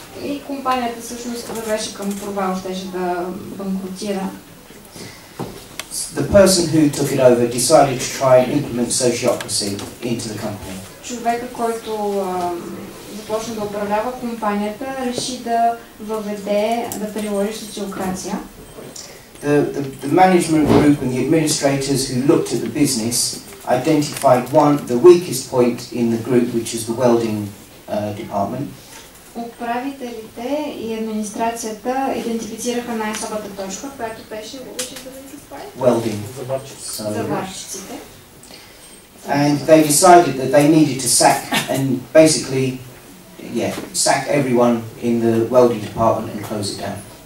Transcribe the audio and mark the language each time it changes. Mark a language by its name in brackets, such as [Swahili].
[Bulgarian] И компанията всъщност вървеше към провал, щеше да банкрутира. [English] The person who took it over decided to try and implement sociocracy into the company. [Bulgarian] Човека, който започна да управлява компанията, реши да въведе, да приложи социокрация. [English] The management group and the administrators who looked at the business identified the weakest point in the group, which is the welding department. [Bulgarian] Управителите и администрацията идентифицираха най-слабата точка, която беше заварчиците. [English] And they decided that they needed to sack and basically sack everyone in the welding department and close it down.